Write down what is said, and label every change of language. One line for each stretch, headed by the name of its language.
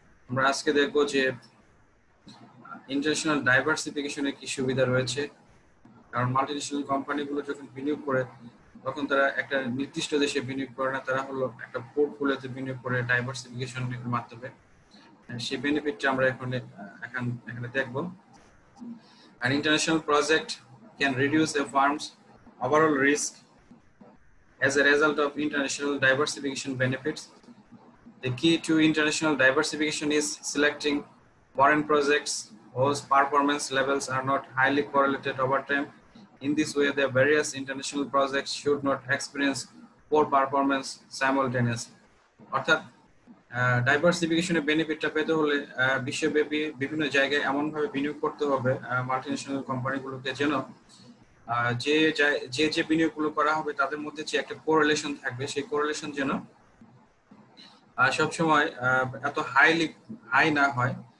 Bangla: আমরা আজকে দেখব যে ইন্টারন্যাশনাল ডাইভার্সিফিকেশনের কি সুবিধা রয়েছে, কারণ মাল্টিনেশনাল কোম্পানিগুলো যখন বিনিয়োগ করে তখন তারা একটা নির্দিষ্ট দেশে বিনিয়োগ করে না, তারা হলো একটা পোর্টফোলিওতে বিনিয়োগ করে ডাইভার্সিফিকেশনের মাধ্যমে। সেই বেনিফিটটা আমরা এখানে দেখবো।
English: An international project can reduce a firm's overall risk as a result of international diversification benefits. The key to international diversification is selecting foreign projects whose performance levels are not highly correlated over time. In this way, the various international projects should not experience poor performance simultaneously.
Bangla: অর্থাৎ ডাইভার্সিফিকেশনের বেনিফিটটা পেতে হলে বিশ্বব্যাপী বিভিন্ন জায়গায় এমনভাবে বিনিয়োগ করতে হবে মাল্টিনেশনাল কোম্পানিগুলোকে, যেন যে যে বিনিয়োগগুলো করা হবে তাদের মধ্যে যে একটা কোরিলেশন থাকবে, সেই কোরিলেশন যেন সবসময় এত হাই না হয়।